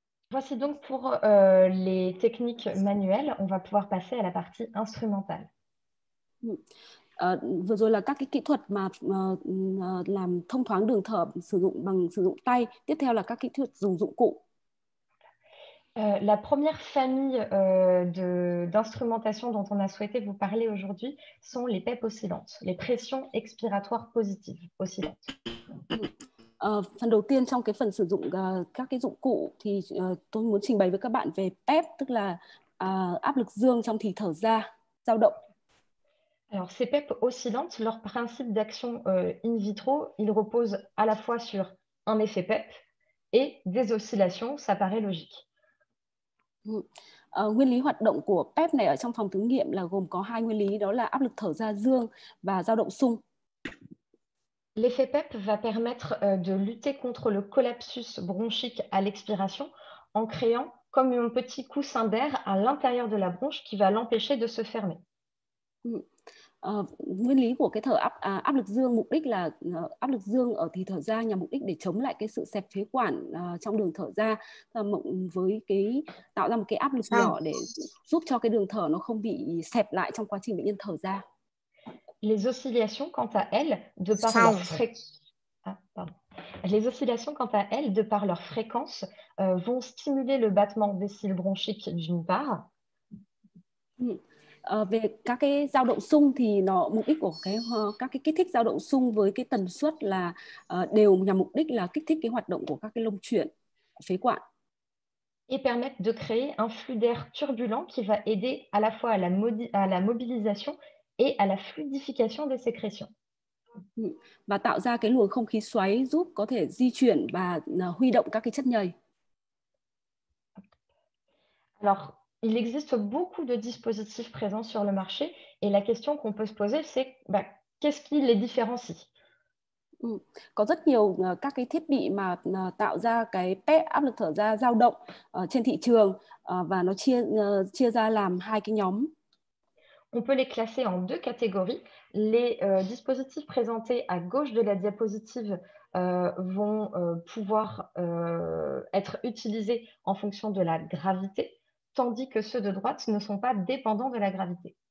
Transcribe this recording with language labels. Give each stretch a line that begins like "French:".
French: Voici donc pour les techniques manuelles. On va pouvoir passer à la partie instrumentale.
Vietnamese: Vừa rồi là các cái kỹ thuật mà làm thông thoáng đường thở sử dụng tay. Tiếp theo là các kỹ thuật dùng dụng cụ.
French: La première famille d'instrumentation dont on a souhaité vous parler aujourd'hui sont les PEP oscillantes, les pressions expiratoires positives oscillantes.
Vietnamese: Phần đầu tiên trong cái phần sử dụng các cái dụng cụ thì tôi muốn trình bày với các bạn về PEP, tức là áp lực dương trong thì thở ra, dao động.
French: Alors, ces PEP oscillantes, leur principe d'action in vitro, il repose à la fois sur un effet PEP et des oscillations, ça paraît logique.
Vietnamese: Nguyên lý hoạt động của PEP này ở trong phòng thử nghiệm là gồm có hai nguyên lý, đó là áp lực thở ra dương và dao động xung.
French: L'effet PEP va permettre de lutter contre le collapsus bronchique à l'expiration en créant comme un petit coussin d'air à l'intérieur de la bronche qui va l'empêcher de se fermer.
Vietnamese: Nguyên lý của cái thở áp áp lực dương mục đích là áp lực dương ở thì thở ra nhằm mục đích để chống lại cái sự xẹp phế quản trong đường thở ra với cái tạo ra một cái áp lực Sao? nhỏ để giúp cho cái đường thở nó không bị xẹp lại trong quá trình bệnh nhân thở ra.
French: Les oscillations, quant à elles, de par leur Sound. fréquence, Les oscillations, quant à elles, de par leur fréquence, vont stimuler le battement des cils bronchiques d'une part.
Vietnamese: Về các cái dao động xung thì nó mục đích của cái các cái kích thích dao động xung với cái tần suất là đều nhằm mục đích là kích thích cái hoạt động của các cái lông chuyển phế quản.
French: Et permettre de créer un flux d'air turbulent qui va aider à la fois à la mobilisation et à la fluidification des sécrétions.
Vietnamese: Và tạo ra cái luồng không khí xoáy giúp có thể di chuyển và huy động các cái chất nhầy.
French: Alors, il existe beaucoup de dispositifs présents sur le marché et la question qu'on peut se poser, c'est bah, qu'est-ce qui les différencie?
Vietnamese: Có rất nhiều các cái thiết bị mà tạo ra cái PEP áp lực thở ra dao động trên thị trường và nó chia chia ra làm hai cái nhóm.
French: On peut les classer en deux catégories. Les dispositifs présentés à gauche de la diapositive vont pouvoir être utilisés en fonction de la gravité, tandis que ceux de droite ne sont pas dépendants de la gravité.